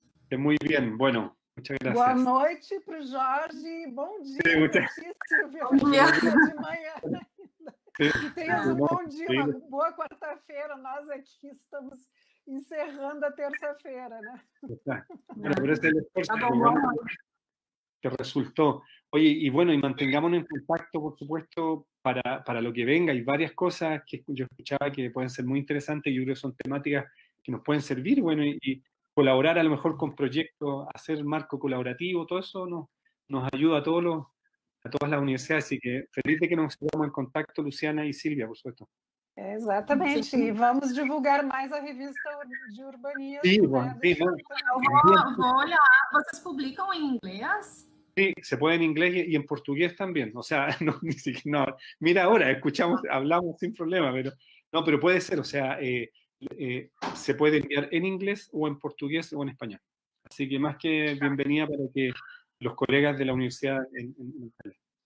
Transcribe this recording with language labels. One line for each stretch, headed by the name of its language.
Portuguese: É muito bem.
Spanish: Bueno, muchas gracias.
Portuguese: Boa noite para o Jorge. Bom dia. Sim, muito... Silvia. Bom dia. De manhã. E tenhas um bom dia, uma boa quarta-feira. Nós aqui estamos encerrando a terça-feira, né? Tá bom, bom.
Spanish: Que resultó. Oye, y bueno, y mantengámonos en contacto, por supuesto, para lo que venga. Hay varias cosas que yo escuchaba que pueden ser muy interesantes y yo creo que son temáticas que nos pueden servir, bueno, y colaborar a lo mejor con proyectos, hacer marco colaborativo, todo eso nos ayuda a todas las universidades. Así que feliz de que nos estemos en contacto, Luciana y Silvia, por supuesto.
Portuguese: Exatamente, e vamos divulgar mais a revista de urbanismo. Sim, né? Sim. Vou olhar, vocês publicam em inglês? Sim, se pode em inglês e em português também, ou seja, não,
Spanish: mira
Portuguese: agora,
Spanish: escuchamos,
Portuguese: falamos sem problema, mas pode ser, ou seja,
Spanish: se puede enviar en inglés o en portugués o en español. Así que más que bienvenida para que los colegas de la universidad en Italia.